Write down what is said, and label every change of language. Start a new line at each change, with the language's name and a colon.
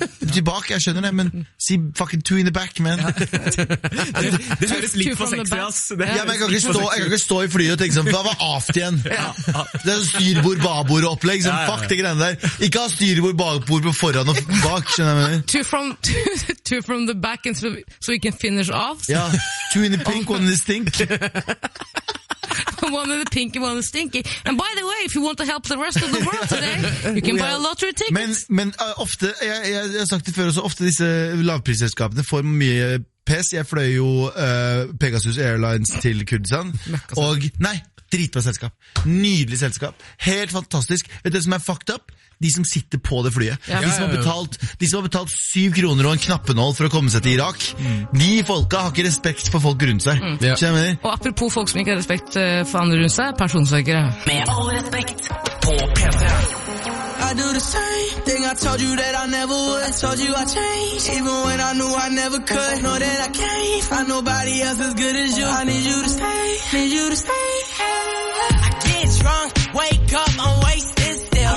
Norwegian: Tilbake, jeg skjønner det, men si fucking
English: 2 in the back, man.
Norwegian: Det høres litt for sexy, ass. Ja, men jeg kan ikke stå i flyet og tenke sånn, hva var aft igjen? Ja. Det sånn styrbord, babord og opplegg, sånn, fuck det greiene der. Ikke ha styrbord, babord på foran og bak, skjønner jeg.
English: Two from the back, and so we can finish off. Ja, 2 in the pink, 1 in the stink. One of the pinky, one of the stinky. And by the way, if you want to help the rest of the world today, you can buy a lottery ticket.
Norwegian: Men ofte, jeg har sagt det før også, ofte disse lavprisselskapene får mye pes. Jeg fløy jo Pegasus Airlines til Kurdistan. Og nei, dritbra selskap. Nydelig selskap. Helt fantastisk. Vet du det som fucked up? De som sitter på det flyet. Ja. De som har betalt 7 kroner og en knappenål for å komme seg til Irak. Mm. De folka har ikke respekt for folk rundt seg. Mm. Yeah. Og apropos folk som ikke har respekt for andre rundt seg, personsøkere. Med all respekt på PC.
English: I do the same thing I told you that I never would. I told you I'd change, even when I knew I never could. Know that I can't find nobody else as good as you. I need you to stay, need you to stay. Yeah. I get drunk, wake up, I'm wasted still.